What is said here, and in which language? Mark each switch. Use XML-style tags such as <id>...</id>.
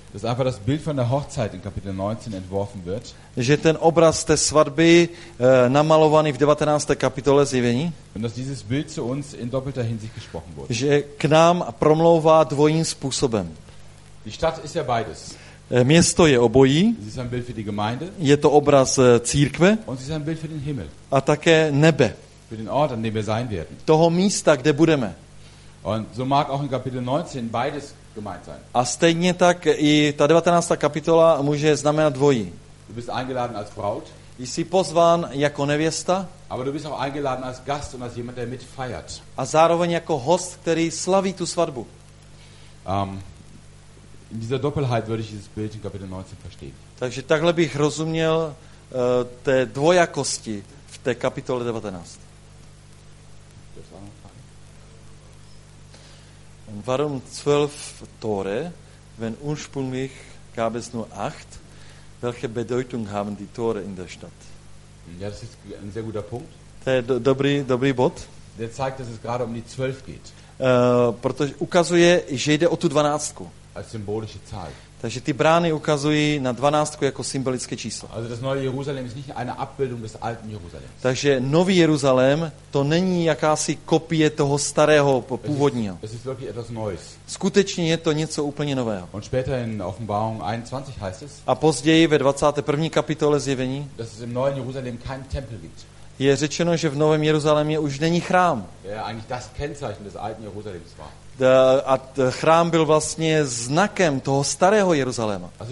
<de>dass einfach das Bild von der Hochzeit in Kapitel 19 entworfen wird,</de> <cs>že ten obraz té svatby namalovaný v 19. kapitole Zjevení,</cs> <de>und dass dieses Bild zu uns in doppelter Hinsicht gesprochen wurde,</de> <cs>že k nám promlouvá dvojím způsobem.</cs> <de>Die Stadt ist ja beides.</de> <cs>Město je obojí.</cs> <de>Sie ist ein Bild für die Gemeinde.</de> <cs>Je to obraz církve.</cs> <de>Und sie ist ein Bild für den Himmel.</de> <cs>A také nebe.</cs> <de>Für den Ort, an dem wir sein werden.</de> <cs>Toho místa, kde budeme.</cs> <de>Und so mag auch in Kapitel 19 beides gemeint sein.</de> <cs>A stejně tak i ta 19. kapitola může znamenat dvojí.</cs> <de>Du bist eingeladen als Braut.</de> <cs>Jsi pozván jako nevěsta.</cs> <de>Aber du bist auch eingeladen als Gast und als jemand, der mitfeiert.</de> <cs>A zároveň jako host, který slaví tu svatbu.</cs> <de>In dieser Doppelheit würde ich dieses Bild in Kapitel 19 verstehen.</de> <cs>Takže takhle bych rozuměl té dvojakosti v té kapitole 19.</cs> <de>Warum 12 Tore, wenn ursprünglich gab es nur 8? Welche Bedeutung haben die Tore in der Stadt? Ja, das ist ein sehr guter Punkt.</de> <cs>Der dobrý bod.</cs> <de>Der zeigt, dass es gerade um die 12 geht.</de> <cs>Protože ukazuje, že jde o tu 12.</cs> <de>Als symbolische Zahl.</de> <cs>Takže ty brány ukazují na 12 jako symbolické číslo.</cs> <de>Also das neue Jerusalem ist nicht eine Abbildung des alten Jerusalems.</de> <cs>Takže nový Jeruzalém to není jakási kopie toho starého původního.</cs> <de>Es ist wirklich etwas Neues.</de> <cs>Skutečně je to něco úplně nového.</cs> <de>Und später in Offenbarung 21 heißt es.</de> <cs>A později ve 21. kapitole Zjevení.</cs> <de>Dass es im neuen Jerusalem keinen Tempel gibt.</de> <cs>Je řečeno, že v novém Jeruzalémě už není chrám.</cs> <de>Der eigentlich das Kennzeichen des alten Jerusalems war.</de> <cs>A chrám byl vlastně znakem toho starého Jeruzaléma.</cs>